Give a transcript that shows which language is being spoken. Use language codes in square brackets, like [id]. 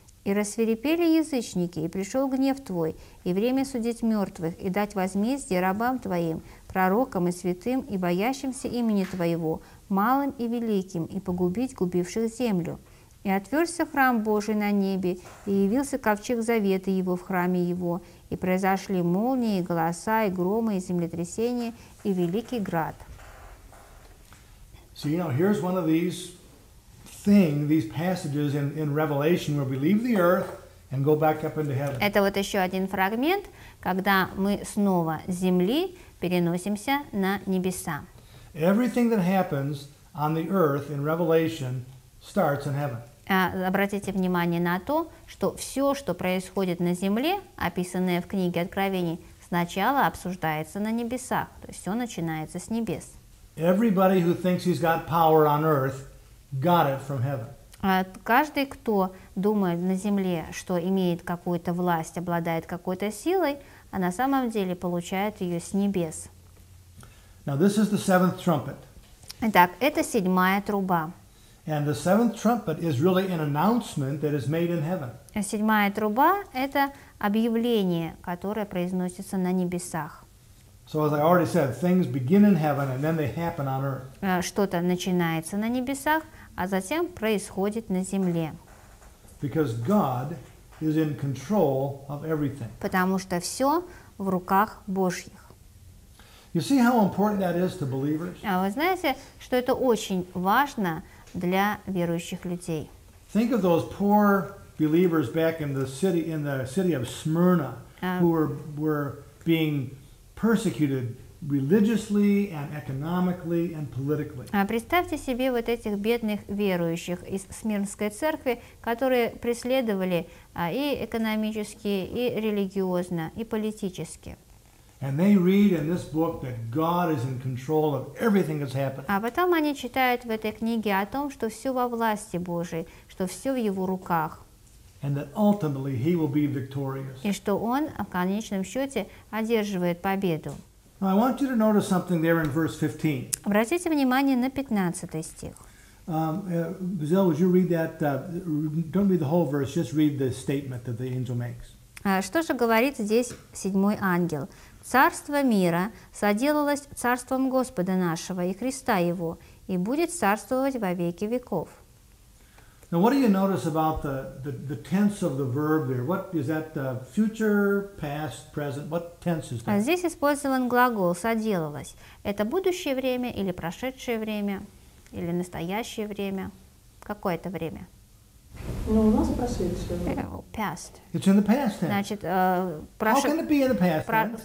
[ru] И рассвирепели язычники, и пришел гнев Твой, и время судить мертвых, и дать возмездие рабам Твоим, пророкам и святым, и боящимся имени Твоего, малым и великим, и погубить губивших землю. И отверся храм Божий на небе, и явился ковчег завета Его в храме Его, и произошли молнии, и голоса, и громы, и землетрясения, и великий град». [en] See, now here's one of these thing, these passages in Revelation where we leave the earth and go back up into heaven. [ru] Это вот еще один фрагмент, когда мы снова с земли переносимся на небеса. [en] Everything that happens on the earth in Revelation starts in heaven. [ru] Обратите внимание на то, что все, что происходит на земле, описанное в книге Откровений, сначала обсуждается на небесах. То есть все начинается с небес. [en] Everybody who thinks he's got power on earth got it from heaven. [ru] Каждый, кто думает на земле, что имеет какую-то власть, обладает какой-то силой, а на самом деле получает ее с небес. [en] Now this is the seventh trumpet. [ru] Итак, это седьмая труба. [en] And the seventh trumpet is really an announcement that is made in heaven. [ru] Седьмая труба — это объявление, которое произносится на небесах. [en] So as I already said, things begin in heaven and then they happen on earth. [ru] Что-то начинается на небесах, а затем происходит на земле. [en] Because God is in control of everything. [ru] Потому что все в руках Божьих. [en] You see how important that is to believers? [ru] А вы знаете, что это очень важно для верующих людей. [en] Think of those poor believers back in the city of Smyrna, who were being persecuted religiously and economically and politically. [ru] Представьте себе вот этих бедных верующих из Смирнской церкви, которые преследовали и экономически, и религиозно, и политически. [en] And they read in this book that God is in control of everything that's happened. [ru] А потом они читают в этой книге о том, что все во власти Божьей, что все в Его руках. [en] And that ultimately He will be victorious. [ru] И что Он в конечном счете одерживает победу. [en] Now I want you to notice something there in verse 15. [ru] Обратите внимание на 15 стих. [en] Bazel, would you read that? Don't read the whole verse. Just read the statement that the angel makes. [ru] Что же говорит здесь седьмой ангел? «Царство мира соделалось царством Господа нашего и Христа Его, и будет царствовать во веки веков». [en] Now, what do you notice about the tense of the verb there? What is that, future, past, present? What tense is that? [ru] Здесь использован глагол «соделалось». Это будущее время или прошедшее время, или настоящее время? Какое это время? [en] It's in the past tense.